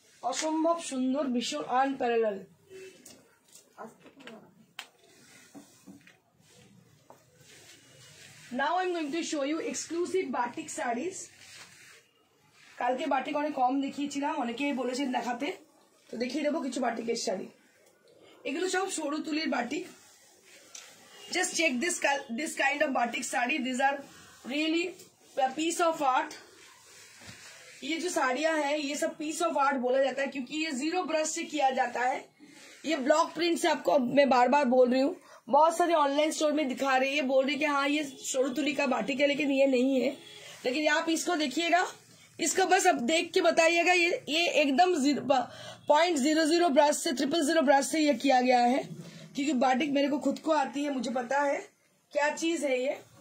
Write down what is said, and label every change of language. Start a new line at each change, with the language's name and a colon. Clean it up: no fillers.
Bangla: অসম্ভব সুন্দর, ভীষণ unparalleled.
English: Now I'm going to show you exclusive batik sarees.
Bangla: কালকে বাটিক অনেক কম দেখিয়েছিলাম, অনেকেই বলেছেন দেখাতে, তো দেখিয়ে দেবো কিছু বাটিকের শাড়ি। এগুলো সব সরু তুলির batik.
English: Just check this kind of batik sari.
Bangla: These are really a piece of art.
Hindi: ये जो साड़ियां हैं ये सब पीस ऑफ आर्ट बोला जाता है, क्योंकि ये जीरो ब्रश से किया जाता है। ये ब्लॉक प्रिंट से, आपको मैं बार बार बोल रही हूँ, बहुत सारे ऑनलाइन स्टोर में दिखा रही है, बोल रही है कि हाँ ये सोरू तुली का बाटिक है, लेकिन ये नहीं है। लेकिन आप इसको देखिएगा, इसको बस आप देख के बताइएगा, ये एकदम 0.00 ब्रश से, 000 ब्रश से ये किया गया है, क्योंकि बाटिक मेरे को खुद को आती है, मुझे पता है क्या चीज है ये।